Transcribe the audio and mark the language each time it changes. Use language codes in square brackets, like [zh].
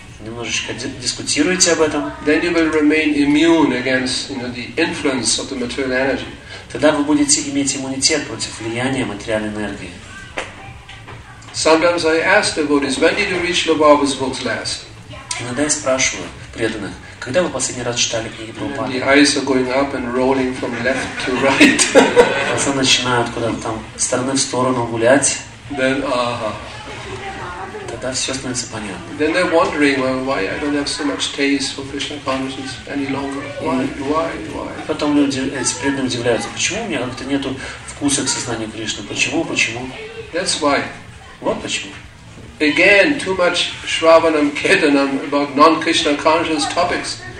[ru] Немножечко дискутируйте об этом. [en] Then you will remain immune against, you know, the influence of the material energy. [ru] Тогда вы будете иметь иммунитет против влияния материальной энергии. [en] Sometimes I ask devotees, when did you read Srila Prabhupada's books last? [ru] Иногда я спрашиваю преданных, когда вы последний раз читали книги Прабхупады? [en] The eyes are going up and rolling from left to right. [ru] Глаза начинают куда-то там с стороны в сторону гулять. [en] Then, aha. [ru] Тогда все становится понятно. [en] Then they're wondering, well, why I don't have so much taste for Krishna consciousness any longer. Why? [ru] Потом люди, эти преданные удивляются, почему у меня как-то нету вкуса к сознанию Кришны? Почему? [en] That's why. [ru] Вот почему. [en] Again, too much shravanam, ketanam about non-Krishna conscious topics.